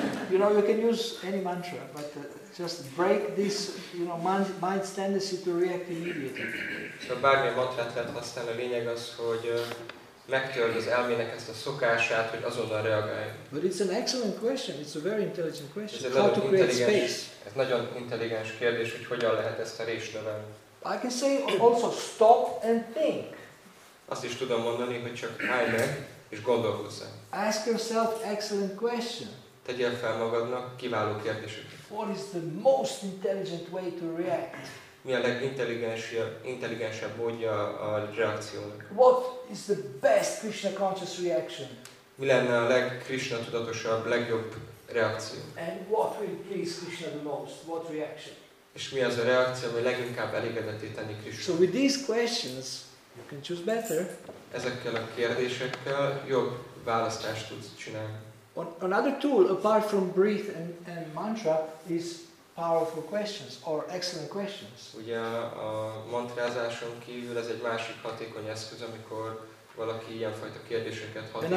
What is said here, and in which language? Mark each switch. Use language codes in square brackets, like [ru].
[en] You know, you can use any mantra, but just break this, you know, mind tendency to react immediately. [hu] So bármilyen mantrát lehet használni, a lényeg az, hogy megtörd az elmének ezt a szokását, hogy azonnal reagálj. [en] But it's an excellent question. It's a very intelligent question. Ez how to create space? [hu] Ez nagyon intelligens kérdés, hogy hogyan lehet ezt a részt növelni. [en] I can say also stop and think. [hu] Azt is tudom mondani, hogy csak állj meg és gondolkozz el. [en] Ask yourself excellent question. [hu] Tegyél fel magadnak kiváló kérdéseket. [en] What is the most intelligent way to react? [hu] Mi a legintelligensebb módja a reakciónak? [en] What is the best Krishna conscious reaction? [hu] Mi lenne a legKrishna tudatosabb, legjobb reakció? [en] And what will please Krishna the most? What reaction? [hu] És mi az a reakció, ami leginkább elégedetté tenni Krishna? [en] So with these questions, you can choose better. [hu] Ezekkel a kérdésekkel jobb választást tudsz csinálni. [en] Another tool, apart from breath and mantra, is powerful questions or excellent questions. [hu] Ugye a mantrázáson kívül ez egy másik hatékony eszköz, amikor valaki ilyenfajta kérdéseket